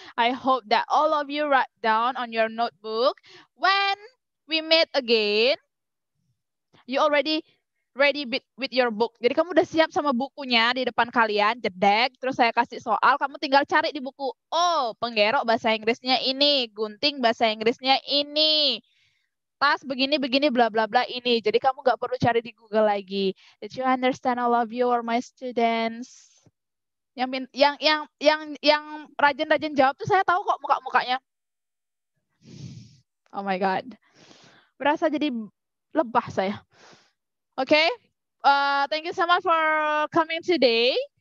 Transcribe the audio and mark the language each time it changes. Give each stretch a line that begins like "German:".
English: I hope that all of you write down on your notebook when we meet again. You already ready with your book.
Indonesian: Jadi kamu udah siap sama bukunya di depan kalian, jedek, terus saya kasih soal, kamu tinggal cari di buku. Oh, penggerok bahasa Inggrisnya ini, gunting bahasa Inggrisnya ini, tas begini, begini, bla bla bla ini. Jadi kamu gak perlu cari di Google lagi.
English: Did you understand all of you or my students?
Indonesian: Yang rajin-rajin jawab tuh saya tahu kok muka-mukanya.
English: Oh my God.
Indonesian: Berasa jadi lebah saya.
English: Okay, thank you so much for coming today.